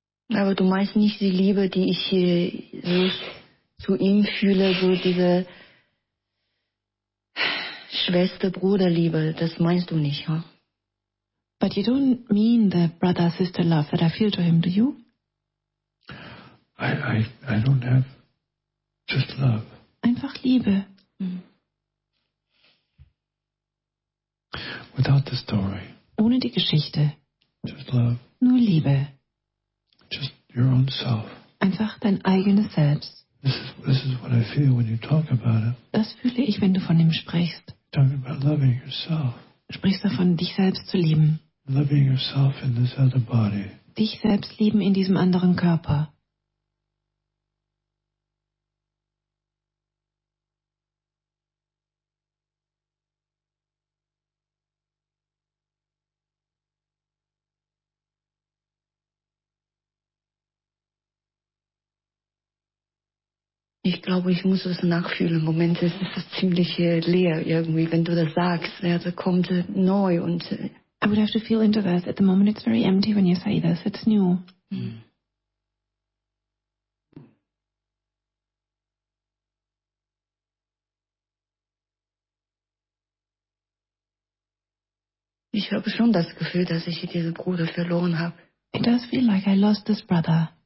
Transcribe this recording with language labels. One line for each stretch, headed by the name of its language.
German: Aber du meinst nicht die Liebe, die ich so zu ihm fühle, so diese Schwester-Bruder-Liebe, das meinst du nicht, ha? Huh?
English: But you don't mean the brother-sister love that I feel to him, do you? I don't have just love.
German: Einfach Liebe.
English: Without the story.
German: Ohne die Geschichte.
English: Just love.
German: Nur Liebe.
English: Just your own self.
German: Einfach dein eigenes Selbst.
English: This is what I feel when you talk about it.
German: Das fühle ich, wenn du von ihm sprichst.
English: Talking about loving yourself.
German: Sprichst davon, dich selbst zu lieben.
English: Loving yourself in this other body.
German: Dich selbst lieben in diesem anderen Körper. Ich glaube, ich muss es nachfühlen. Im Moment ist es ziemlich leer irgendwie, wenn du das sagst. Ja, das kommt neu und.
English: I would have to feel into this. At the moment it's very empty when you say this. It's new. Mm.
German: Ich habe schon das Gefühl, dass ich diesen Bruder verloren habe.
English: It does feel like I lost this brother.